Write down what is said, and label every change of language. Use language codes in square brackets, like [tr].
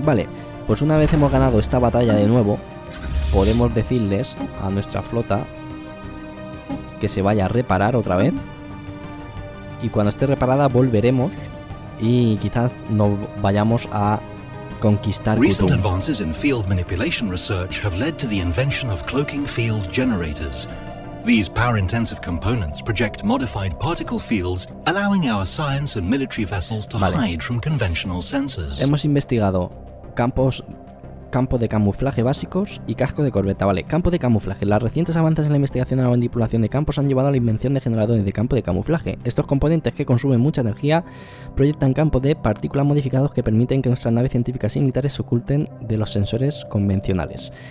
[es] Vale, pues una vez hemos ganado esta batalla de nuevo, podemos decirles a nuestra flota que se vaya a reparar otra vez. Y cuando esté reparada volveremos y quizás nos vayamos a conquistar Kutum. [en] Recent advances in field manipulation research have led to the invention of cloaking field generators. These power-intensive components project modified particle fields, allowing our science and military vessels to hide from conventional sensors. [es] Hemos investigado campo de camuflaje básicos y casco de corbeta. Vale, campo de camuflaje. Los recientes avances en la investigación de la manipulación de campos han llevado a la invención de generadores de campo de camuflaje. Estos componentes, que consumen mucha energía, proyectan campos de partículas modificados que permiten que nuestras naves científicas y militares se oculten de los sensores convencionales.